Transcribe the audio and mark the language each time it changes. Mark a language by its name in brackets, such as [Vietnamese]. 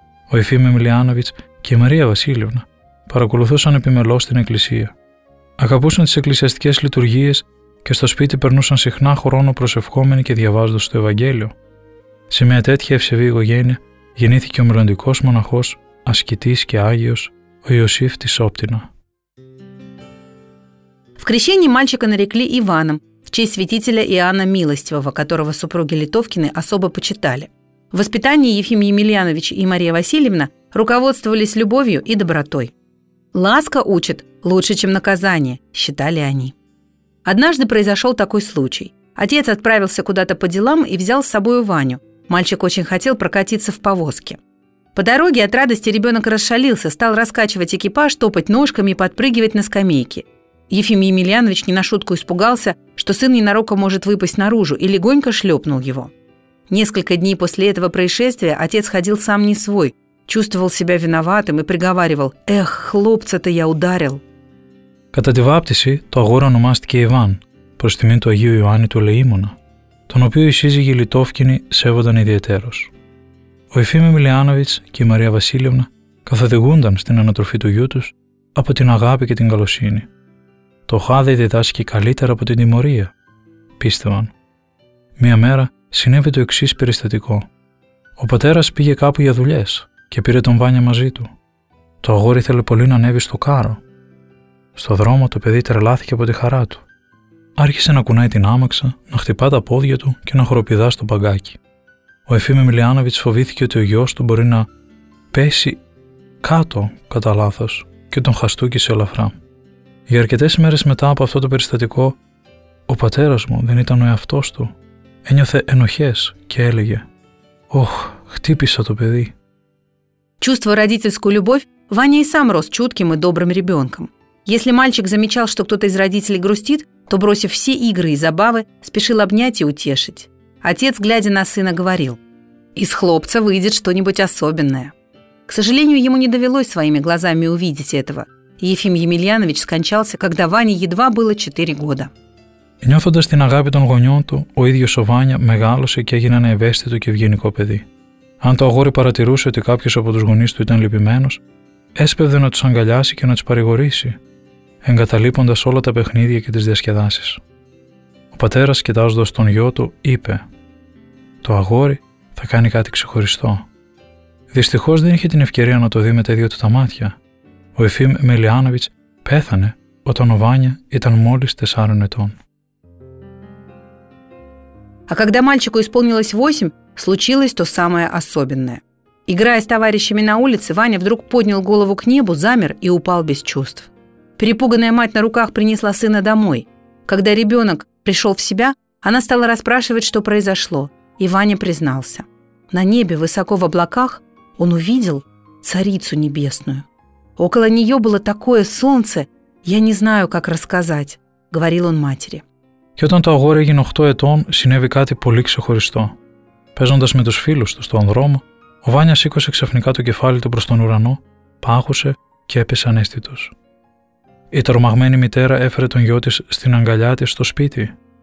[Greek] Ο Εφήμ Εμιλιάνοβιτς και η Μαρία Βασίλευνα παρακολουθούσαν επιμελώς την εκκλησία. Αγαπούσαν τις εκκλησιαστικές λειτουργίες και στο σπίτι περνούσαν συχνά χρόνο προσευχόμενοι και διαβάζοντας το Ευαγγέλιο. Σε μια τέτοια ευσεβή οικογένεια γεννήθηκε ο μελλοντικός μοναχός, ασκητής και άγιος, ο Ιωσήφ της Όπτινα. [Russian] В крещении мальчика нарекли Иваном, в честь святителя Иоанна Милостивого, которого супруги Литовкины особо почитали. В воспитании Ефим Емельянович и Мария Васильевна руководствовались любовью и добротой. «Ласка учит лучше, чем наказание», – считали они. Однажды произошел такой случай. Отец отправился куда-то по делам и взял с собой Ваню. Мальчик очень хотел прокатиться в повозке. По дороге от радости ребенок расшалился, стал раскачивать экипаж, топать ножками и подпрыгивать на скамейке. Ефим Емельянович не на шутку испугался, что сын ненароком может выпасть наружу, и легонько шлепнул его. Несколько дней после этого происшествия отец ходил сам не свой, чувствовал себя виноватым и приговаривал: «Эх, хлопца-то я ударил!» [Greek] Κατά τη βάπτιση, το αγόρι ονομάστηκε Ιβάν, προς τιμήν του Αγίου Ιωάννη του Ελεήμονα, τον οποίο οι σύζυγοι Λιτόφκινοι σέβονταν ιδιαιτέρως. Ο Εφήμ Εμιλιάνοβιτς και η Μαρία Βασίλευνα καθοδηγούνταν στην ανατροφή του γιού τους από την αγάπη και την καλοσύνη. Το χάδι διδάσκει καλύτερα από την τιμωρία, πίστευαν. Μία μέρα συνέβη το εξής περιστατικό. Ο πατέρας πήγε κάπου για δουλειές και πήρε τον Βάνια μαζί του. Το αγόρι ήθελε πολύ να ανέβει στο κάρο. Στο δρόμο το παιδί τρελάθηκε από τη χαρά του. Άρχισε να κουνάει την άμαξα, να χτυπά τα πόδια του και να χοροπηδά στο παγκάκι. Ο Εφήμ Εμιλιάνοβιτς φοβήθηκε ότι ο γιος του μπορεί να πέσει κάτω κατά λάθος και τον χαστούκησε ελαφρά. Για αρκετές μέρες μετά από αυτό το περιστατικό, ο πατέρας μου δεν ήταν ο εαυτός του. Ένιωθε ενοχές και έλεγε: «Ωχ, χτύπησα το παιδί». [Russian] Чувство родительскую любовь, Ваня и сам рос чутким и добрым ребенком. Если мальчик замечал, что кто-то из родителей грустит, то, бросив все игры и забавы, спешил обнять и утешить. Отец, глядя на сына, говорил: «Из хлопца выйдет что-нибудь особенное». К сожалению, ему не довелось своими глазами увидеть этого. Ефим Емельянович скончался, когда Ване едва было 4 года. [Greek] Нёθοντας την αγάπη των γονιών του, ο ίδιος ο Ваня μεγάλωσε και έγινε ένα ευαίσθητο και ευγενικό παιδί. Αν το αγόρι παρατηρούσε ότι κάποιος από τους γονείς του ήταν λυπημένος, έσπευδε να τους αγκαλιάσει και να τους παρηγορήσει, εγκαταλείποντας όλα τα παιχνίδια και τις διασκεδάσεις. Ο πατέρας, κοιτάζοντας τον γιο του, είπε: «Το αγόρι θα κάνει κάτι ξεχωριστό». Δυστυχώς δεν είχε την ευκαιρία να το δει με τα ίδια του τα μάτια. Ο Εφήμ Εμιλιάνοβιτς πέθανε όταν ο Βάνια ήταν μόλις 4 ετών. [Russian] А когда мальчику исполнилось 8, случилось то самое особенное. Играя с товарищами на улице, Ваня вдруг поднял голову к небу, замер и упал без чувств. Перепуганная мать на руках принесла сына домой. Когда ребенок пришел в себя, она стала расспрашивать, что произошло, и Ваня признался. На небе, высоко в облаках, он увидел Царицу Небесную. «Около нее было такое солнце, я не знаю, как рассказать», — говорил он матери. [Greek] Και όταν το αγόρι έγινε 8 ετών, συνέβη κάτι πολύ ξεχωριστό. Παίζοντας με τους φίλους του στον δρόμο, ο Βάνιας σήκωσε ξαφνικά το κεφάλι του προς τον ουρανό, πάγωσε και έπεσε ανέστητος. Η τρομαγμένη μητέρα έφερε τον γιο της στην αγκαλιά της στο σπίτι.